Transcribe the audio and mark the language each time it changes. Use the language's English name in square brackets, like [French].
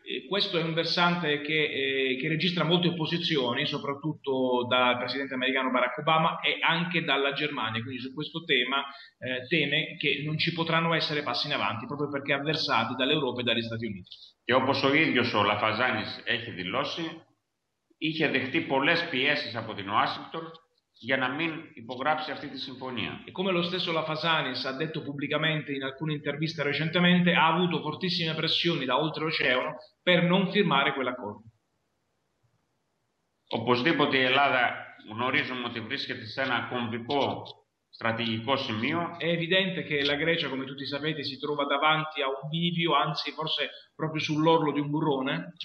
[Italian] Questo è un versante che registra molte opposizioni, soprattutto dal presidente americano Barack Obama e anche dalla Germania, quindi su questo tema teme che non ci potranno essere passi in avanti, proprio perché avversati dall'Europa e dagli Stati Uniti. [Greek] Και όπως ο ίδιος ο Λαφαζάνης έχει δηλώσει, είχε δεχτεί πολλές πιέσεις από την Ουάσιγκτον για να μην υπογράψει αυτή τη συμφωνία. [Italian] E come lo stesso Lafazanis ha detto pubblicamente in alcune interviste recentemente, ha avuto fortissime pressioni da oltreoceano per non firmare quell'accordo. [Greek] Οπωσδήποτε η Ελλάδα γνωρίζουμε ότι βρίσκεται σε ένα κομβικό στρατηγικό σημείο. [Italian] È evidente che la Grecia, come tutti sapete, si trova davanti a un bivio, anzi forse proprio sull'orlo di un burrone.